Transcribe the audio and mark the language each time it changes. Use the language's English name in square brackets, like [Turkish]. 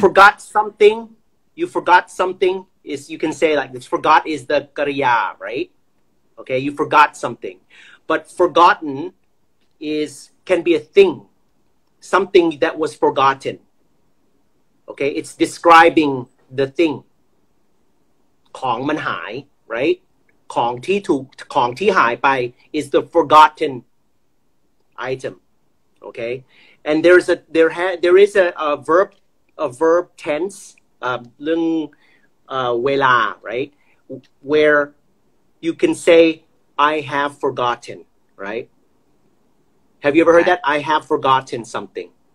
[English] Forgot something. You forgot something. Is you can say like this. Forgot is the karya, right? Okay, you forgot something. But forgotten is can be a thing. Something that was forgotten. Okay, it's describing the thing. [Thai] ของมันหาย right? ของที่ถูกของที่หายไป [English] is the forgotten item. Okay? And there is a verb tense, [Thai] เรื่องเวลา [English] right? Where you can say I have forgotten, right? Have you ever heard that? I have forgotten something.